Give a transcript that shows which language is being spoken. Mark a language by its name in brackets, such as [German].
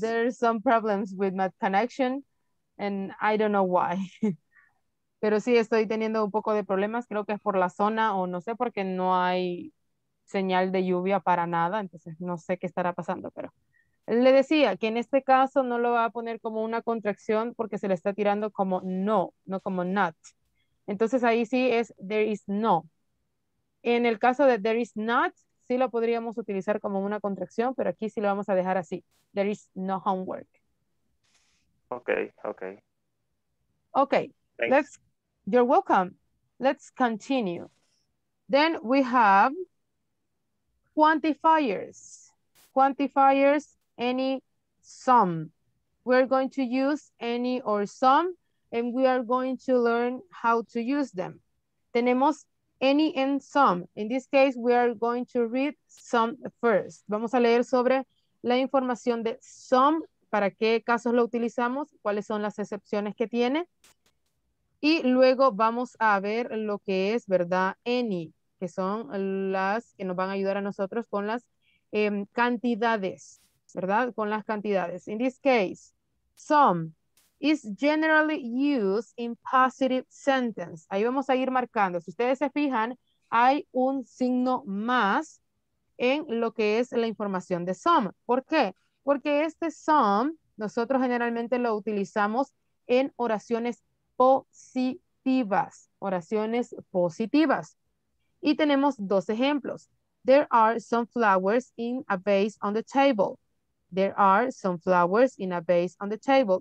[English] There are some problems with my connection and I don't know why. [Spanish] Pero sí, estoy teniendo un poco de problemas. Creo que es por la zona o no sé, porque no hay señal de lluvia para nada. Entonces, no sé qué estará pasando. Pero le decía que en este caso no lo va a poner como una contracción porque se le está tirando como no, no como not. Entonces, ahí sí es there is no. En el caso de there is not, sí lo podríamos utilizar como una contracción, pero aquí sí lo vamos a dejar así. [English] There is no homework. Ok, ok. Ok. Let's, you're welcome. Let's continue. Then we have quantifiers. Quantifiers, any, some. We're going to use any or some, and we are going to learn how to use them. Tenemos any and some. In this case, we are going to read some first. [Spanish] Vamos a leer sobre la información de some, para qué casos lo utilizamos, cuáles son las excepciones que tiene. Y luego vamos a ver lo que es, ¿verdad? Any, que son las que nos van a ayudar a nosotros con las cantidades, ¿verdad? Con las cantidades. [English] In this case, some is generally used in positive sentence. [Spanish] Ahí vamos a ir marcando. Si ustedes se fijan, hay un signo más en lo que es la información de some. ¿Por qué? Porque este some nosotros generalmente lo utilizamos en oraciones positivas, oraciones positivas. Y tenemos dos ejemplos. [English] There are some flowers in a vase on the table. There are some flowers in a vase on the table.